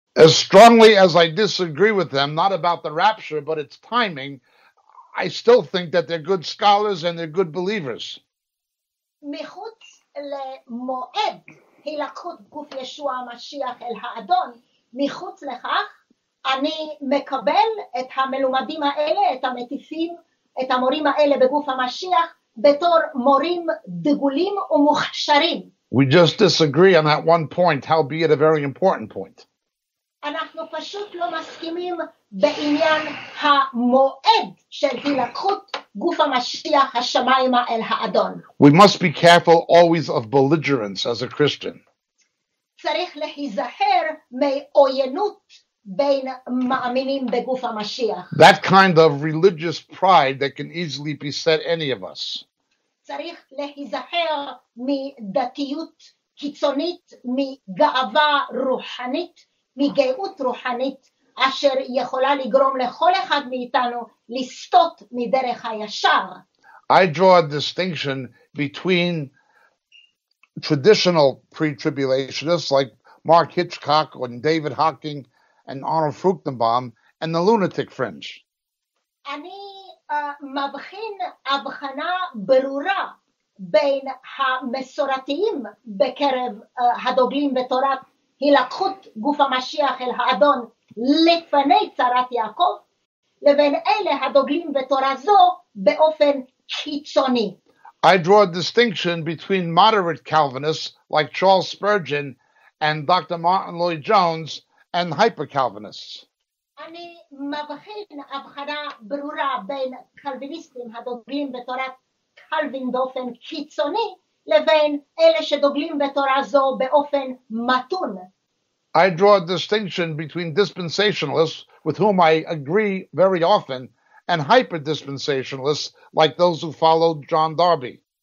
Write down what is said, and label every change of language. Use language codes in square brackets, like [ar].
[en] As strongly as I disagree with them, not about the rapture, but its timing, I still think that they're good scholars and they're good believers. [he] מחוץ למועד הילקחות גוף ישוע המשיח אל האדון, מחוץ לכך, אני מקבל את המלומדים האלה, את המטיפים, את המורים האלה בגוף המשיח, בתור מורים דגולים ומוכשרים. [en] We just disagree on that one point, howbeit a very important point. [he] אנחנו פשוט לא מסכימים בעניין המועד של הילקחות גוף המשיח השמיימה אל האדון. [en] We must be careful always of belligerence as a Christian. [he] צריך להיזהר מעוינות בין מאמינים בגוף המשיח. [en] That kind of religious pride that can easily beset any of us. [he] צריך להיזהר מדתיות קיצונית, מגאווה רוחנית, מגאות רוחנית אשר יכולה לגרום לכל אחד מאיתנו לסטות מדרך הישר. [en] I draw a distinction between traditional pre-tribulationists like Mark Hitchcock and David Hocking and Arnold Fruchtenbaum and the lunatic fringe. [he] אני מבחין הבחנה ברורה בין המסורתיים בקרב הדוגלים בתורת הילקחות גוף המשיח אל האדון לפני צרת יעקב, לבין אלה הדוגלים בתורה זו באופן קיצוני. [en] I draw a distinction between moderate Calvinists like Charles Spurgeon and Dr. Martin Lloyd-Jones and hyper-Calvinists. [he] אני מבחין הבחנה ברורה בין קלוויניסטים הדוגלים בתורת קלווין באופן קיצוני, לבין אלה שדוגלים בתורה זו באופן מתון. [en] I draw a distinction between dispensationalists, with whom I agree very often, and hyper-dispensationalists, like those who followed John Darby.